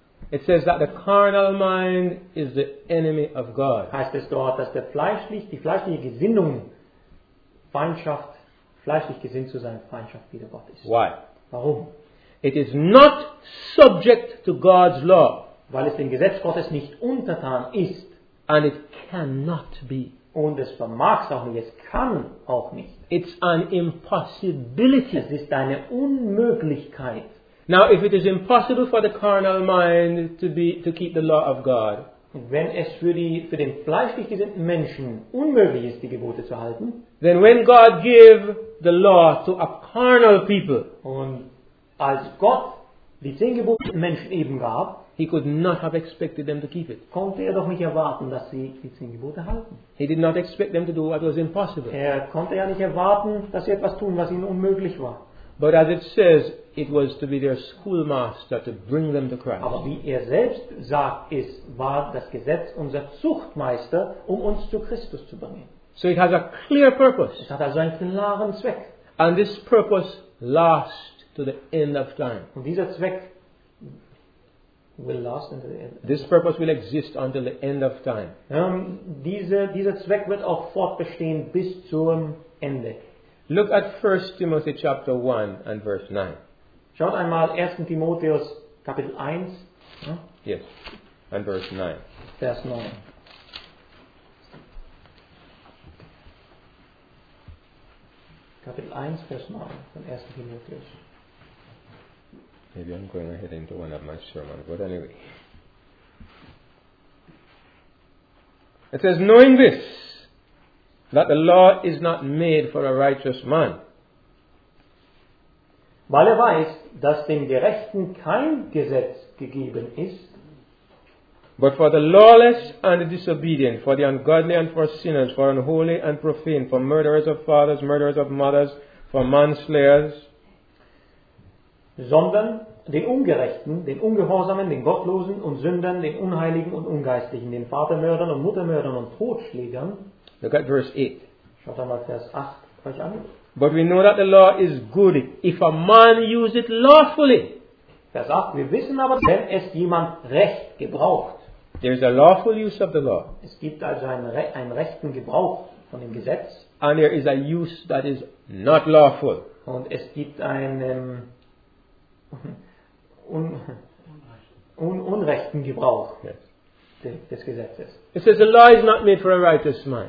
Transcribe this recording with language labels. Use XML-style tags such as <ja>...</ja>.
<en>It says that the carnal mind is the enemy of God.</en> <de>Heißt es dort, dass die fleischliche Gesinnung Feindschaft, fleischlich gesinnt zu sein, Feindschaft wider Gott ist.</de> <en>Why?</en> <de>Warum?</de> <en>It is not subject to God's law.</en> <de>Weil es dem Gesetz Gottes nicht untertan ist.</de> <en>And it cannot be.</en> <de>Und es vermag es auch nicht. Es kann auch nicht.</de> <en>It's an impossibility.</en> <de>Es ist eine Unmöglichkeit.</de> <en>Now, if it is impossible for the carnal mind to keep the law of God,</en> <de>wenn es für den fleischlich gesinnten Menschen unmöglich ist, die Gebote zu halten,</de> <en>then when God gave the law to a carnal people,</en> <de>und als Gott die zehn Gebote den Menschen eben gab,</de> <en>he could not have expected them to keep it.</en> <de>Konnte er doch nicht erwarten, dass sie die zehn Gebote halten.</de> <en>He did not expect them to do what was impossible.</en> <de>Er konnte ja nicht erwarten, dass sie etwas tun, was ihnen unmöglich war.</de> <en>But as it says, it was to be their schoolmaster to bring them to Christ.</en> <de>Aber wie er selbst sagt, war das Gesetz unser Zuchtmeister, um uns zu Christus zu bringen.</de> <en>So it has a clear purpose.</en> <de>Es hat also einen klaren Zweck.</de> <en>And this purpose lasts to the end of time.</en> <de>Und dieser Zweck</de> <en>will last until the end. This purpose will exist until the end of time.</en> <de>Dieser Zweck wird auch fortbestehen bis zum Ende.</de> <en>Look at 1 Timothy chapter 1 and verse 9.</en> <de>Schaut einmal 1. Timotheus Kapitel 1.</de> <en>Yes, and verse 9.</en> <de>Vers 9. Kapitel 1, Vers 9 von 1. Timotheus.</de> <en>Maybe I'm going ahead into one of my sermons, but anyway. It says, knowing this, that the law is not made for a righteous man.</en> <de>Weil er weiß, dass dem Gerechten kein Gesetz gegeben ist.</de> <en>But for the lawless and the disobedient, for the ungodly and for sinners, for unholy and profane, for murderers of fathers, murderers of mothers, for manslayers.</en> <de>Sondern den Ungerechten, den Ungehorsamen, den Gottlosen und Sündern, den Unheiligen und Ungeistlichen, den Vatermördern und Muttermördern und Totschlägern.</de> <en>Look at verse 8.</en> <de>Schaut einmal Vers 8 euch an.</de> <en>But we know that the law is good if a man use it lawfully.</en> <de>Vers 8. Wir wissen aber, wenn es jemand recht gebraucht.</de> <en>There is a lawful use of the law.</en> <de>Es gibt also einen rechten Gebrauch von dem Gesetz.</de> <en>And there is a use that is not lawful.</en> <de>Und es gibt einen unrechten Gebrauch.</de> <en>Yes.</en> <de>Des Gesetzes.</de> <en>It says the law is not made for a righteous man.</en>